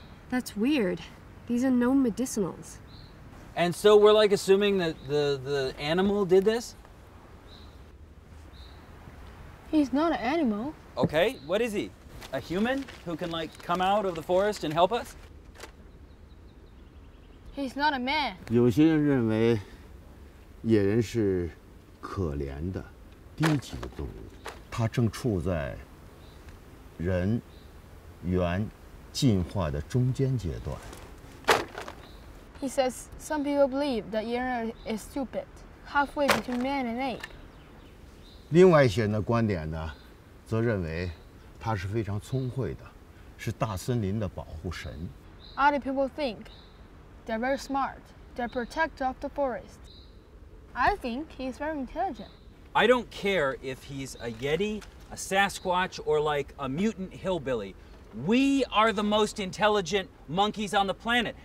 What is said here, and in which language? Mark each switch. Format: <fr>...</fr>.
<en>That's weird. These are no medicinals. And so we're like assuming that the animal did this? He's not an animal. Okay, what is he? A human who can like come out of the forest and help us? He's not a man.</en> <zh>有些人认为野人是可怜的低级的动物，它正处在人猿进化的中间阶段。</zh> <en>He says some people believe that Yeren is stupid, halfway between man and ape.</en> <zh>另外一些人的观点呢，则认为他是非常聪慧的，是大森林的保护神。</zh> <en>Other people think they're very smart, they're protector of the forest. I think he's very intelligent. I don't care if he's a Yeti, a Sasquatch, or like a mutant hillbilly. We are the most intelligent monkeys on the planet.</en>